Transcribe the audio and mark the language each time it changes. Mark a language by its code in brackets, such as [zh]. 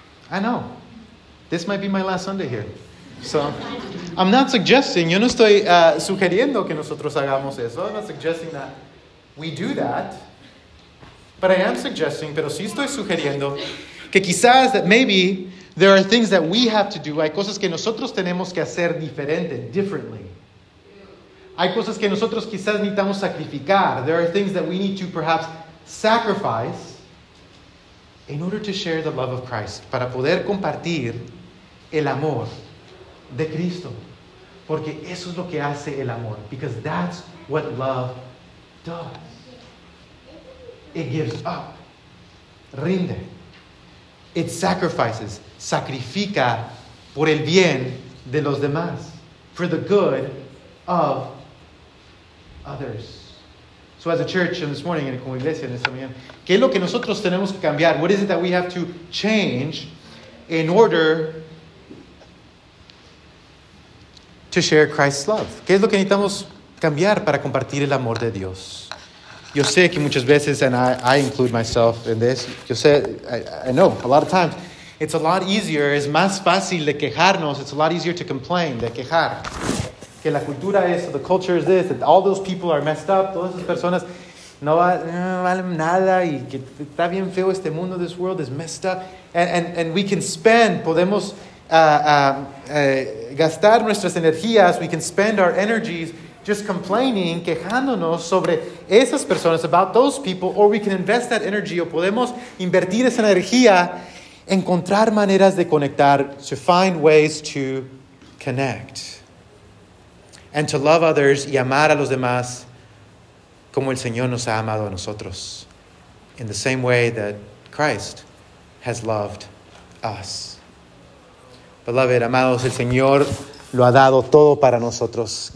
[en] I know. This might be my last Sunday here. So, I'm not suggesting, [es] yo no estoy sugiriendo que nosotros hagamos eso. [en] I'm not suggesting that we do that. But I am suggesting, [es] pero sí estoy sugiriendo que quizás, [en] that maybe, there are things that we have to do. [es] Hay cosas que nosotros tenemos que hacer diferente, [en] differently. [es] Hay cosas que nosotros quizás necesitamos sacrificar. [en] There are things that we need to perhaps sacrifice in order to share the love of Christ. [es] Para poder compartir el amor de Cristo. Porque eso es lo que hace el amor. [en] Because that's what love does. It gives up. [es] Rinde. [en] It sacrifices. [es] Sacrifica por el bien de los demás. [en] For the good of others. So as a church and this morning, and [es] como iglesia en esta mañana, ¿qué es lo que nosotros tenemos que cambiar? [en] What is it that we have to change in order to share Christ's love? [es] ¿Qué es lo que necesitamos cambiar para compartir el amor de Dios? Yo sé que muchas veces, [en] and I include myself in this, [es] yo sé, [en] I know, a lot of times, it's a lot easier, [es] es más fácil de quejarnos, [en] it's a lot easier to complain, [es] de quejar. Que la cultura es, [en] the culture is this, that all those people are messed up, [es] todas esas personas no valen nada, y que está bien feo este mundo, [en] this world is messed up. And we can spend, [es] podemos gastar nuestras energías, [en] we can spend our energies just complaining, [es] quejándonos sobre esas personas, [en] about those people, or we can invest that energy, [es] o podemos invertir esa energía, encontrar maneras de conectar, [en] to find ways to connect. And to love others [es] y amar a los demás como el Señor nos ha amado a nosotros. [en] In the same way that Christ has loved us. Beloved, [es] amados, el Señor lo ha dado todo para nosotros.